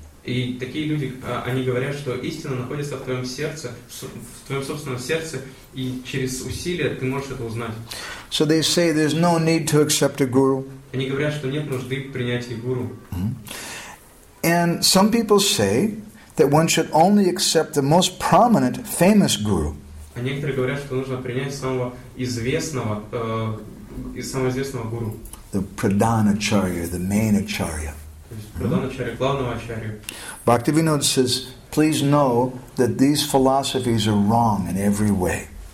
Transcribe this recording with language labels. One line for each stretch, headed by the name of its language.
Russian: И такие люди, они говорят, что истина находится в твоем сердце, в твоем собственном сердце, и через усилия ты можешь это узнать.
English: So they say there's no need to accept a guru.
Russian: Они говорят, что нет нужды принять гуру.
English: And some people say that one should only accept the most prominent, famous guru.
Russian: А некоторые говорят, что нужно принять самого известного, гуру.
English: The Pradhanacharya, the main acharya. Bhaktivinoda says, please know that these philosophies are wrong in every way.